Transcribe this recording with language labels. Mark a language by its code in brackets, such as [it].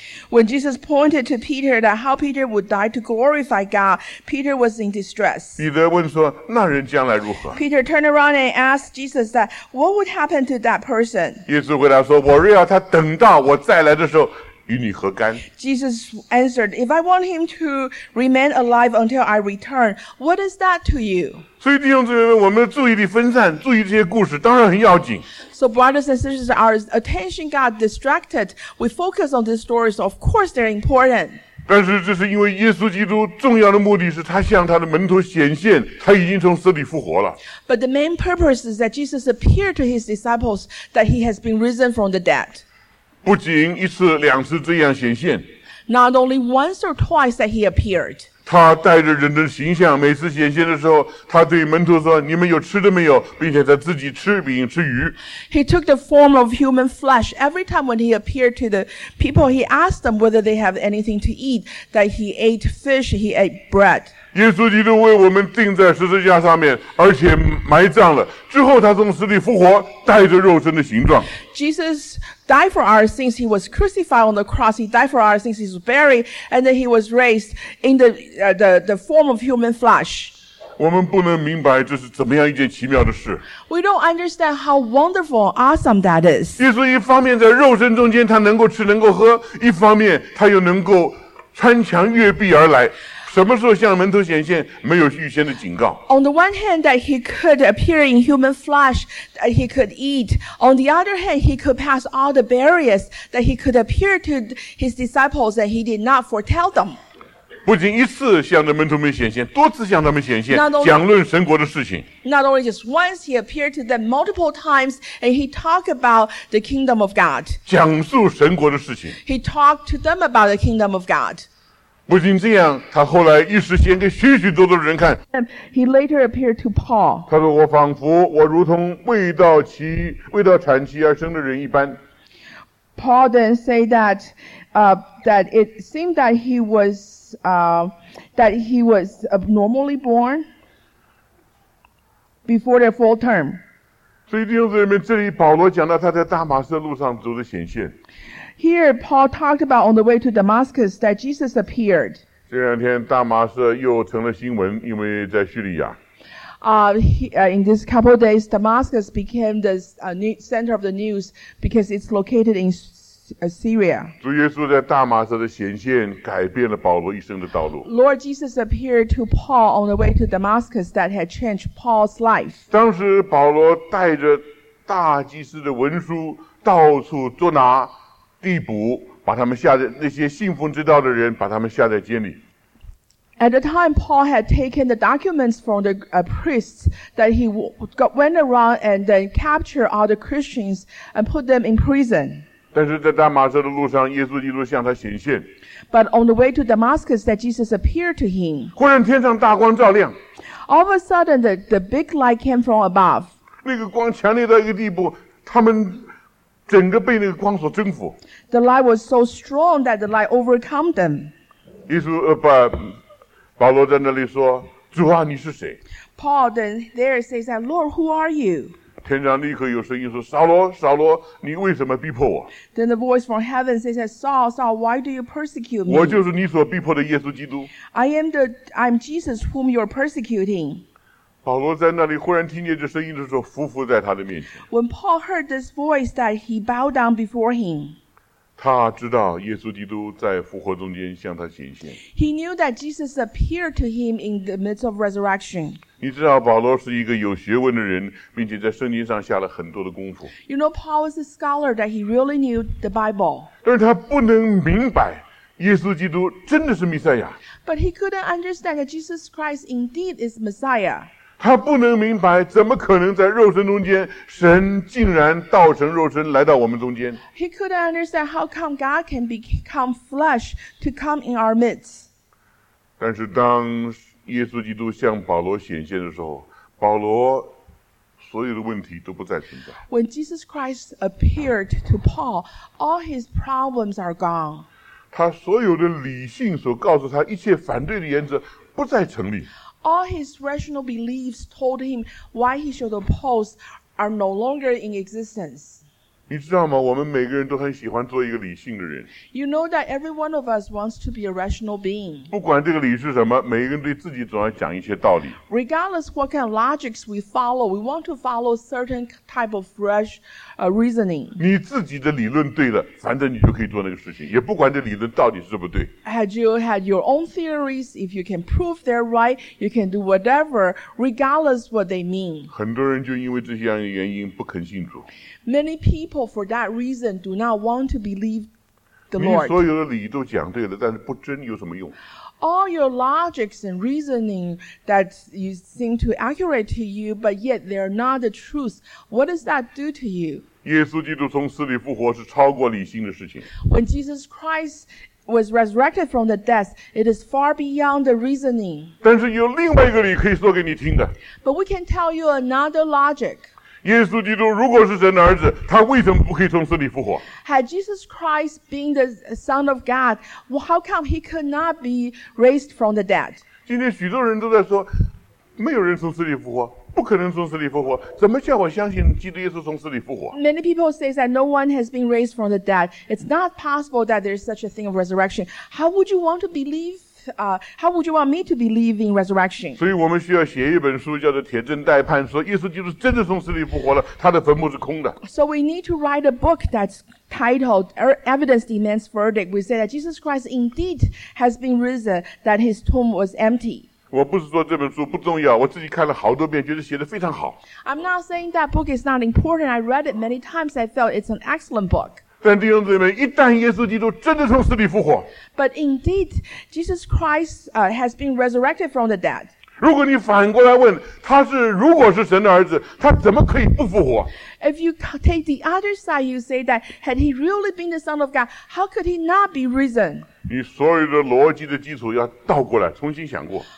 [en] When Jesus pointed to Peter that how Peter would die to glorify God, Peter was in distress. [zh] 彼得问说，那人将来如何？ [en] Peter turned around and asked Jesus that what would happen to that person? [zh] 耶稣回答说，我若要他等到我再来的时候。 [en] Jesus answered, "If I want him to remain alive until I return, what is that to you?" [zh] 所以弟兄姊妹们，我们的注意力分散，注意这些故事当然很要紧。 [en] So brothers and sisters, our attention got distracted. We focus on these stories. Of course, they're important. [zh] 但是这是因为耶稣基督重要的目的是他向他的门徒显现，他已经从死里复活了。 [en] But the main purpose is that Jesus appeared to his disciples that he has been risen from the dead. [zh] 不仅一次两次这样显现 [en] ，Not only once or twice that he appeared. [zh] 他带着人的形象，每次显现的时候，他对门徒说：“你们有吃的没有？” 并且他自己吃饼吃鱼。 [en] He took the form of human flesh. Every time when he appeared to the people, he asked them whether they have anything to eat. That he ate fish, he ate bread. [zh] 耶稣基督为我们钉在十字架上面，而且埋葬了。之后他从死里复活，带着肉身的形状。 [en] Jesus. Died for our sins. He was crucified on the cross. He died for our sins. He was buried, and then he was raised in the form of human flesh. [zh] 我们不能明白这是怎么样一件奇妙的事。 [en] We don't understand how wonderful, awesome that is. [zh] 耶稣一方面在肉身中间他能够吃能够喝，一方面他又能够穿墙越壁而来。什么时候向门徒显现？没有预先的警告。 [en] On the one hand, that he could appear in human flesh, that he could eat. On the other hand, he could pass all the barriers, that he could appear to his disciples, and he did not foretell them. [zh] 不仅一次向着门徒们显现，多次向他们显现，讲论神国的事情。 [en] Not only just once, he appeared to them multiple times, and he talked about the kingdom of God. [zh] 讲述神国的事情。 [en] He talked to them about the kingdom of God. [zh] 不仅这样，他后来一时显给许许多多的人看。 [en] He later appeared to Paul. [zh] 他说：“我仿佛我如同未到产期而生的人一般。” [en] Paul then said that it seemed that he was. Normally born before their full term. [zh] 所以弟兄姊妹们，这里保罗讲到他在大马色路上走的显现。 [en] Here Paul talked about on the way to Damascus that Jesus appeared. [zh] 这两天大马色又成了新闻，因为在叙利亚。 [en] In these couple of days, Damascus became the center of the news because it's located in. Assyria. [zh] 主耶稣在大马色的显现改变了保罗一生的道路。 [en] Lord Jesus appeared to Paul on the way to Damascus that had changed Paul's life. [zh] 当时保罗带着大祭司的文书到处捉拿逮捕，把他们下在那些信奉之道的人，把他们下在监里。 [en] At the time, Paul had taken the documents from the priests that he went around and then captured all the Christians and put them in prison. [zh] 但是在大马色的路上，耶稣基督向他显现。 [en] But on the way to Damascus, that Jesus appeared to him. [zh] 忽然天上大光照亮。 [en] All of a sudden, the big light came from above. [zh] 那个光强烈到一个地步，他们整个被那个光所征服。 [en] The light was so strong that the light overcame them. [zh] 耶稣保罗在那里说：“主啊，你是谁？” [en] Paul then there says that, "Lord, who are you?" [zh] 天上立刻有声音说：“扫罗，扫罗，你为什么逼迫我？” [en] Then the voice from heaven says, "Saul, Saul, why do you persecute me?" [zh] 我就是你所逼迫的耶稣基督。 [en] I'm Jesus whom you're persecuting. [zh] 保罗在那里忽然听见这声音的时候，伏伏在他的面前。 [en] When Paul heard this voice, that he bowed down before him. [zh] 他知道耶稣基督在复活中间向他显现。 [en] He knew that Jesus appeared to him in the midst of resurrection. [zh] 你知道保罗是一个有学问的人，并且在圣经上下了很多的功夫。 [en] You know, Paul was a scholar that he really knew the Bible. [zh] 但是他不能明白耶稣基督真的是弥赛亚。 [en] But he couldn't understand that Jesus Christ indeed is Messiah. [zh] 他不能明白怎么可能在肉身中间神竟然道成肉身来到我们中间。 [en] He couldn't understand how come God can become flesh to come in our midst. [zh] 但是当耶稣基督向保罗显现的时候，保罗所有的问题都不再存在。 [en] When Jesus Christ appeared to Paul, all his problems are gone. [zh] 他所有的理性所告诉他一切反对的原则不再成立。 [en] All his rational beliefs told him why he should oppose are no longer in existence. [zh] 你知道吗？我们每个人都很喜欢做一个理性的人。 [en] You know that every one of us wants to be a rational being. [zh] 不管这个理是什么，每个人对自己总要讲一些道理。 [en] Regardless what kind of logics we follow, we want to follow certain type of fresh, reasoning. [zh] 你自己的理论对了，反正你就可以做那个事情，也不管这理论到底是不对。 [en] Had you had your own theories, if you can prove they're right, you can do whatever, regardless what they mean. [zh] 很多人就因为这样的原因不肯信主。 [en] Many people, for that reason, do not want to believe the Lord. [zh] 你所有的理都讲对了，但是不真有什么用？ [en] All your logics and reasoning that you seem to accurate to you, but yet they are not the truth. What does that do to you? [zh] 耶稣基督从死里复活是超过理性的事情。 [en] When Jesus Christ was resurrected from the dead, it is far beyond the reasoning. [zh] 但是有另外一个理可以说给你听的。 [en] But we can tell you another logic. [zh] 耶稣基督如果是神的儿子，他为什么不可以从死里复活？ [en] Had Jesus Christ been the Son of God, how come he could not be raised from the dead? [zh] 今天许多人都在说，没有人从死里复活，不可能从死里复活，怎么叫我相信基督耶稣从死里复活？ [en] Many people say that no one has been raised from the dead. It's not possible that there is such a thing of resurrection. How would you want to believe? How would you want me to believe in resurrection? [zh] 所以我们需要写一本书，叫做《铁证待判》，说耶稣基督真的从死里复活了，他的坟墓是空的。 [en] So we need to write a book that's titled "Evidence Demands Verdict." We say that Jesus Christ indeed has been risen, that his tomb was empty. [zh] 我不是说这本书不重要，我自己看了好多遍，觉得写得非常好。 [en] I'm not saying that book is not important. I read it many times. I felt it's an excellent book. [zh] 但弟兄姊妹们，一旦耶稣基督真的从死里复活 [en] ，But indeed, Jesus Christ, has been resurrected from the dead. [zh] 如果你反过来问，他是如果是神的儿子，他怎么可以不复活 [en] ？If you take the other side, you say that had he really been the Son of God, how could he not be risen? [zh] 你所有的逻辑的基础要倒过来重新想过。